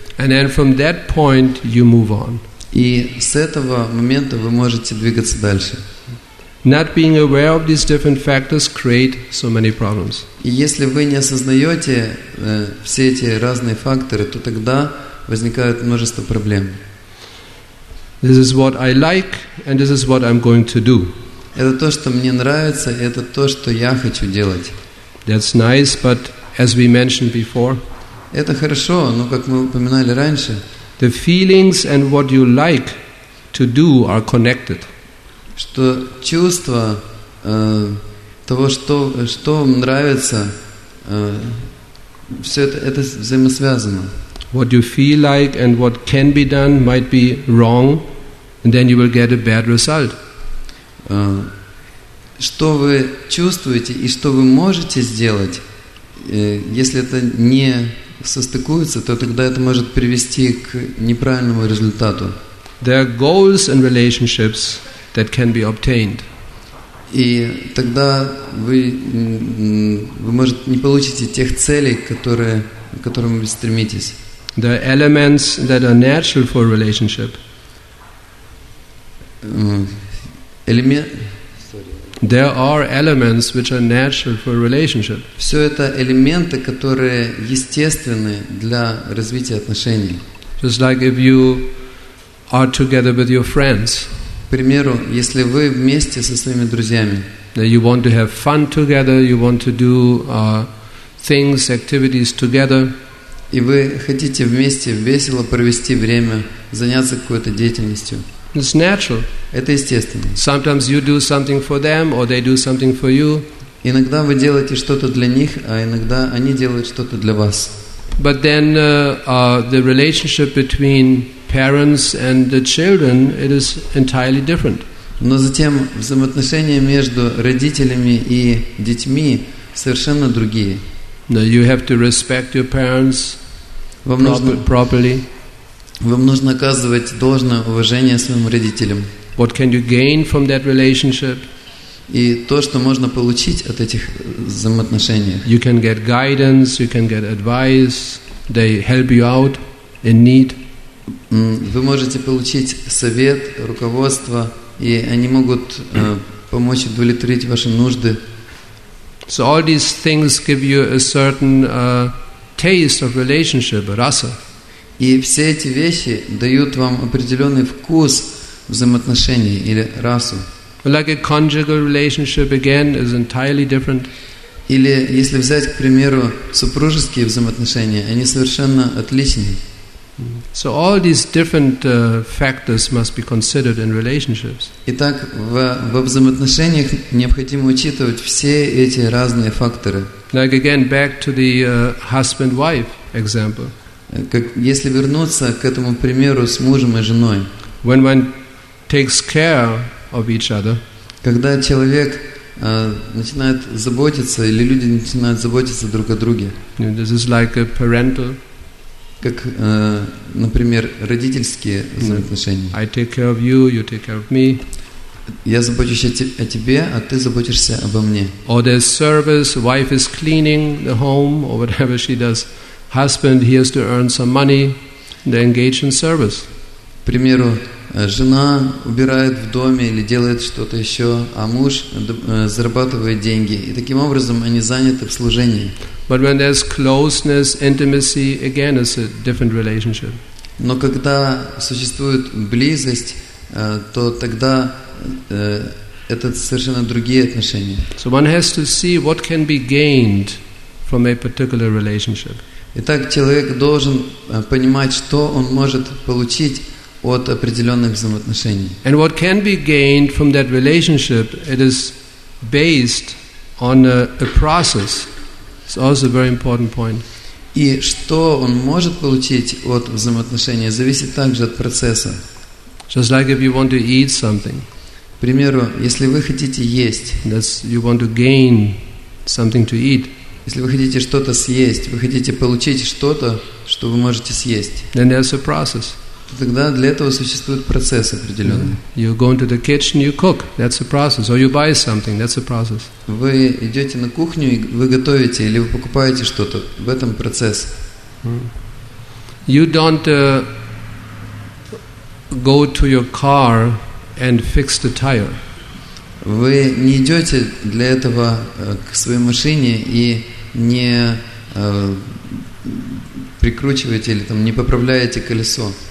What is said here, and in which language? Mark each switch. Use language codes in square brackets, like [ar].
[en] And then from that point you move on. [ru] И с этого момента вы можете двигаться дальше. [en] Not being aware of these different factors create so many problems. [ru] Если вы не осознаете все эти разные факторы, то тогда возникает множество проблем. [en] This is what I like, and this is what I'm going to do. [ru] Это то, что мне нравится, и это то, что я хочу делать. [en] That's nice, but as we mentioned before. [ru] Это хорошо, но как мы упоминали раньше. [en] The feelings and what you like to do are connected. [ru] Что чувство того, что вам нравится, все это взаимосвязано. [en] What you feel like and what can be done might be wrong, and then you will get a bad result. [ru] Что вы чувствуете и что вы можете сделать, если это не состыкуется, то тогда это может привести к неправильному результату. [en] There are goals and relationships that can be obtained. [ru] И тогда вы может не получите тех целей, к которым вы стремитесь. [en] The elements that are natural for a relationship. There are elements which are natural for a relationship. [ru] Все это элементы, которые естественны для развития отношений. [en] Just like if you are together with your friends. [ru] К примеру, если вы вместе со своими друзьями, [en] you want to have fun together, you want to do things, activities together, [ru] и вы хотите вместе весело провести время, заняться какой-то деятельностью, [en] it's natural. [ru] Это естественно. [en] Sometimes you do something for them, or they do something for you. [ru] Иногда вы делаете что-то для них, а иногда они делают что-то для вас. [en] But then the relationship between parents and the children, it is entirely different. [ru] Но затем взаимоотношения между родителями и детьми совершенно другие. [en] Now you have to respect your parents properly. [ru] Вам нужно оказывать должное уважение своим родителям. [en] What can you gain from that relationship? [ru] И то, что можно получить от этих взаимоотношений. [en] You can get guidance, you can get advice. They help you out in need. [ru] Вы можете получить совет, руководство, и они могут помочь удовлетворить ваши нужды. [en] So all these things give you a certain taste of relationship, rasa. [ru] И все эти вещи дают вам определенный вкус взаимоотношений или расу. [en] Like a conjugal relationship again is entirely different. [ru] Или если взять, к примеру, супружеские взаимоотношения, они совершенно отличны. [en] So all these different factors must be considered in relationships. [ru] Итак, во взаимоотношениях необходимо учитывать все эти разные факторы. [en] Like again, back to the husband-wife example. [ru] Как, если вернуться к этому примеру с мужем и женой. [en] When one takes care of each other. [ru] Когда человек начинает заботиться или люди начинают заботиться друг о друге. [en] This is like a parental. [ru] Как, например, родительские взаимоотношения. [en] I take care of you, you take care of me. [ru] Я забочусь о тебе, а ты заботишься обо мне. [en] Or there's service, wife is cleaning the home or whatever she does. Husband, he has to earn some money, they engage in service. [ru] К примеру, жена убирает в доме или делает что-то еще, а муж зарабатывает деньги. И таким образом они заняты в служении. [en] But when there's closeness, intimacy, again, it's a different relationship. [ru] Но когда существует близость, то тогда это совершенно другие отношения. [en] So one has to see what can be gained from a particular relationship. [ru] Итак, человек должен понимать, что он может получить от определенных взаимоотношений. [en] And what can be gained from that relationship, it is based on a process. It's also a very important point. [ru] И что он может получить от взаимоотношений, зависит также от процесса. [en] Just like if you want to eat something. [ru] К примеру, если вы хотите есть. [en] That's, you want to gain something to eat. [ru] Если вы хотите что-то съесть, вы хотите получить что-то, что вы можете съесть. [en] Then there's a process. [ru] Тогда для этого существует процесс определенный. [en] Mm-hmm. You go into the kitchen, you cook. That's a process. Or you buy something. That's a process. [ru] Вы идете на кухню и вы готовите или вы покупаете что-то. В этом процесс. [en] You don't go to your car and fix the tire. [ru] Вы не идете для этого к своей машине и не прикручиваете или там не поправляете колесо.